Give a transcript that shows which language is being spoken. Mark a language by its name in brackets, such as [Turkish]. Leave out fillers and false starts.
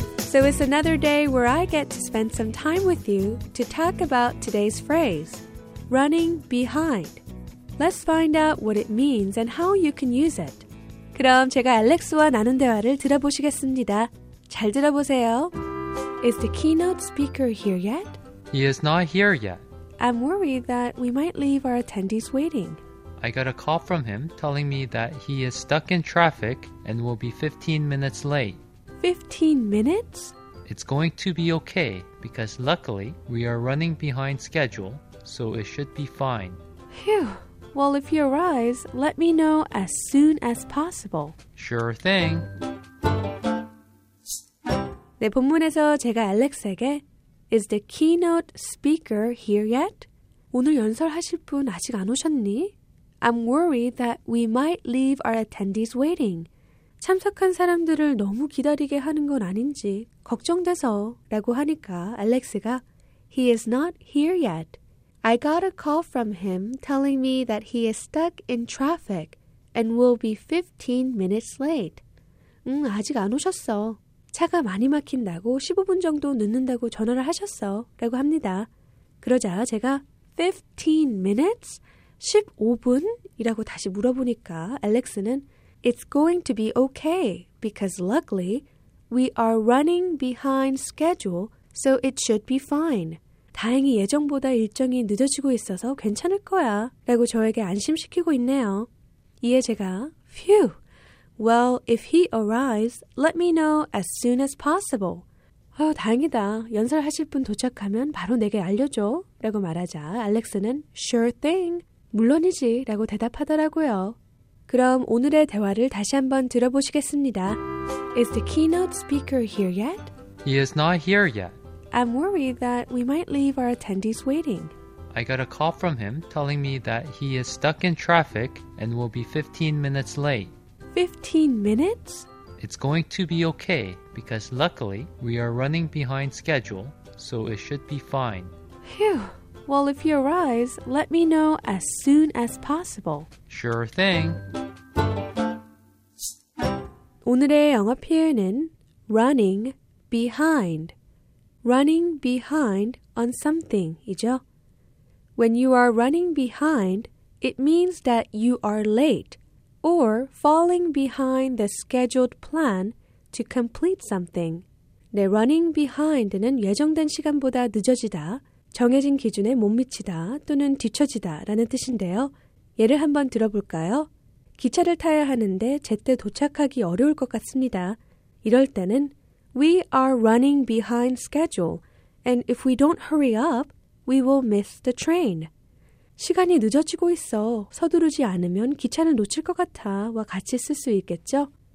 [English] So it's another day where I get to spend some time with you to talk about today's phrase, running behind. Let's find out what it means and how you can use it. [Korean] 그럼 제가 알렉스와 나눈 대화를 들어보시겠습니다. 잘 들어보세요. [English] Is the keynote speaker here yet? He is not here yet. I'm worried that we might leave our attendees waiting. I got a call from him telling me that he is stuck in traffic and will be 15 minutes late. 15 minutes? It's going to be okay, because luckily we are running behind schedule, so it should be fine. Phew. Well, if he arrives, let me know as soon as possible. Sure thing. [Korean] 네, 본문에서 제가 알렉스에게 [English] Is the keynote speaker here yet? [Korean] 오늘 연설하실 분 아직 안 오셨니? [English] I'm worried that we might leave our attendees waiting. [Korean] 참석한 사람들을 너무 기다리게 하는 건 아닌지 걱정돼서 라고 하니까 알렉스가 [English] He is not here yet. I got a call from him telling me that he is stuck in traffic and will be 15 minutes late. [Korean] 아직 안 오셨어. 차가 많이 막힌다고 15분 정도 늦는다고 전화를 하셨어 라고 합니다. 그러자 제가 [English] 15 minutes? [Korean] 15분? 이라고 다시 물어보니까 알렉스는 [English] It's going to be okay, because luckily, we are running behind schedule, so it should be fine. [Korean] 다행히 예정보다 일정이 늦어지고 있어서 괜찮을 거야, 라고 저에게 안심시키고 있네요. [English] 이에 제가, Phew! Well, if he arrives, let me know as soon as possible. [Korean] 다행이다. 연설하실 분 도착하면 바로 내게 알려줘, 라고 말하자 알렉스는 [English] Sure thing! [Korean] 물론이지, 라고 대답하더라고요. 그럼 오늘의 대화를 다시 한번 들어보시겠습니다. [English] Is the keynote speaker here yet? He is not here yet. I'm worried that we might leave our attendees waiting. I got a call from him telling me that he is stuck in traffic and will be 15 minutes late. 15 minutes? It's going to be okay, because luckily we are running behind schedule, so it should be fine. Phew. Well, if he arrives, let me know as soon as possible. Sure thing. [Korean] 오늘의 영어 표현은 running behind on something이죠. [English] When you are running behind, it means that you are late or falling behind the scheduled plan to complete something. [Korean] 네, running behind는 예정된 시간보다 늦어지다. 정해진 기준에 못 미치다 또는 뒤처지다 라는 뜻인데요. 예를 한번 들어볼까요? 기차를 타야 하는데 제때 도착하기 어려울 것 같습니다. [English] 이럴 때는 We are running behind schedule and if we don't hurry up, we will miss the train. [Korean] 시간이 늦어지고 있어 서두르지 않으면 기차를 놓칠 것 같아 와 같이 쓸 수 있겠죠?